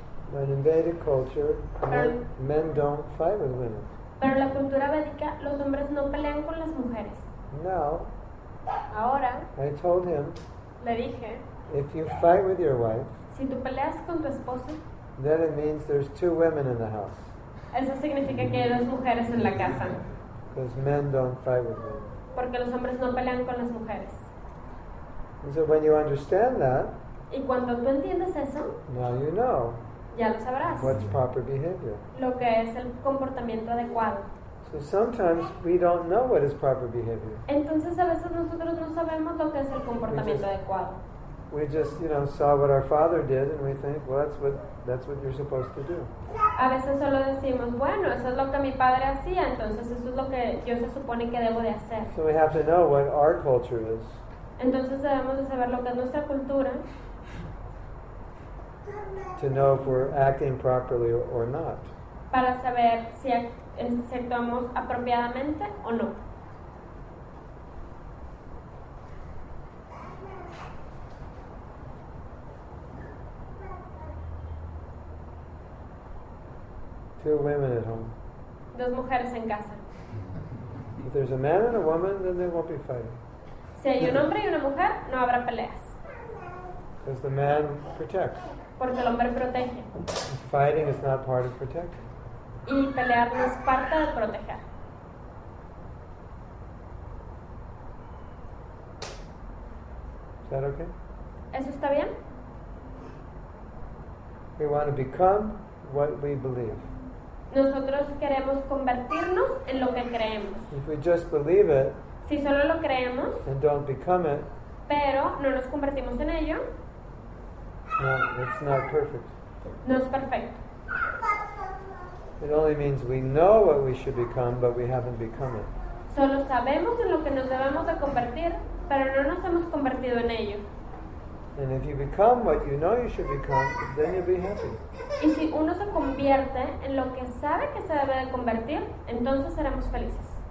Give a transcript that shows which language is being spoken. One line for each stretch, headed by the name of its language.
English: But in Vedic culture, men don't fight with women.
Spanish: Pero en la cultura védica, los hombres no pelean con las mujeres.
English: Now,
Spanish: ahora,
English: I told him,
Spanish: le dije,
English: if you fight with your wife,
Spanish: si tú peleas con tu esposa,
English: then it means there's two women in the house.
Spanish: Eso significa que hay dos mujeres en la casa.
English: Because men don't fight with women.
Spanish: Porque los hombres no pelean con las mujeres.
English: And so when you understand that,
Spanish: y cuando tú entiendes eso,
English: now you know,
Spanish: ya lo sabrás,
English: what's proper behavior.
Spanish: Lo que es el comportamiento adecuado.
English: So sometimes we don't know what is proper behavior.
Spanish: Entonces a veces nosotros no sabemos lo que es el comportamiento adecuado.
English: We just, you know, saw what our father did, and we think, well, that's what you're supposed to do.
Spanish: A veces solo decimos, bueno, eso es lo que mi padre hacía, entonces eso es lo que yo se supone que debo de hacer.
English: So we have to know what our culture is.
Spanish: Entonces debemos de saber lo que es nuestra cultura.
English: To know if we're acting properly or not.
Spanish: Para saber si actuamos apropiadamente o no.
English: Two women at home.
Spanish: Dos mujeres en casa.
English: If there's a man and a woman, then they won't be fighting.
Spanish: Si hay un hombre y una mujer, no habrá peleas.
English: Because the man protects.
Spanish: Porque el hombre protege.
English: And fighting is not part of protecting.
Spanish: Y pelear no es parte de proteger.
English: Is that okay?
Spanish: ¿Eso está bien?
English: We want to become what we believe.
Spanish: Nosotros queremos convertirnos en lo que creemos.
English: If we just believe it,
Spanish: si solo lo creemos,
English: and don't become it,
Spanish: pero no nos convertimos en ello,
English: no, it's not perfect.
Spanish: No es perfecto.
English: It only means we know what we should become, but we haven't become it.
Spanish: Solo sabemos en lo que nos debemos de convertir, pero no nos hemos convertido en ello.
English: And if you become what you know you should become, then you'll be happy.
Spanish: Y si uno se convierte en lo que sabe que se debe de convertir, entonces seremos felices.